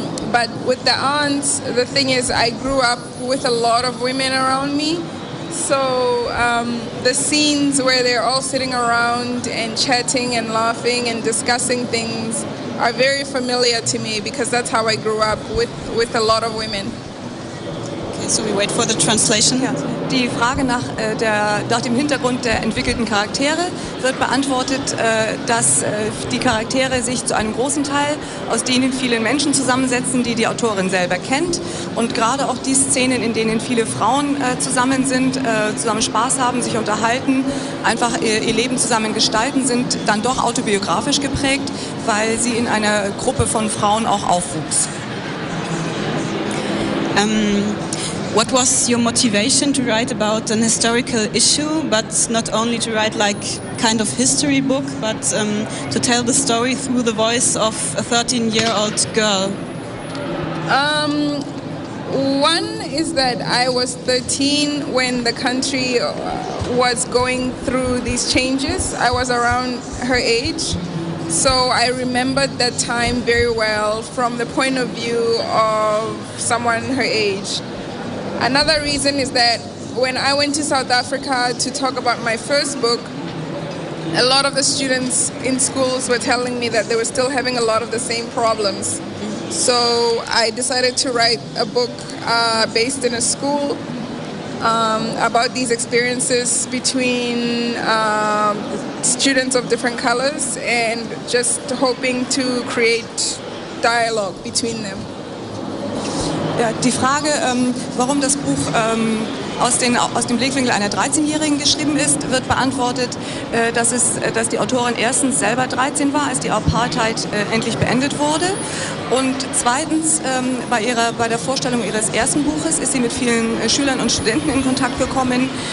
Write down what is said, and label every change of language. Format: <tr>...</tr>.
<en>But with the aunts, the thing is, I grew up with a lot of women around me. So the scenes where they're all sitting around and chatting and laughing and discussing things are very familiar to me because that's how I grew up with a lot of women. Okay, so we wait for the translation.</en> <de>Ja. Die Frage nach dem Hintergrund der entwickelten Charaktere wird beantwortet, dass die Charaktere sich zu einem großen Teil aus denen vielen Menschen zusammensetzen, die die Autorin selber kennt. Und gerade auch die Szenen, in denen viele Frauen zusammen sind, zusammen Spaß haben, sich unterhalten, einfach ihr Leben zusammen gestalten, sind dann doch autobiografisch geprägt, weil sie in einer Gruppe von Frauen auch aufwuchs.</de> <en>What was your motivation to write about an historical issue, but not only to write like kind of history book, but to tell the story through the voice of a 13-year-old girl? One is that I was 13 when the country was going through these changes. I was around her age, so I remembered that time very well from the point of view of someone her age. Another reason is that when I went to South Africa to talk about my first book, a lot of the students in schools were telling me that they were still having a lot of the same problems. So I decided to write a book based in a school about these experiences between students of different colors, and just hoping to create dialogue between them.</en> <de>Ja, die Frage, warum das Buch aus dem Blickwinkel einer 13-Jährigen geschrieben ist, wird beantwortet, dass die Autorin erstens selber 13 war, als die Apartheid endlich beendet wurde, und zweitens bei der Vorstellung ihres ersten Buches ist sie mit vielen Schülern und Studenten in Kontakt gekommen,</de>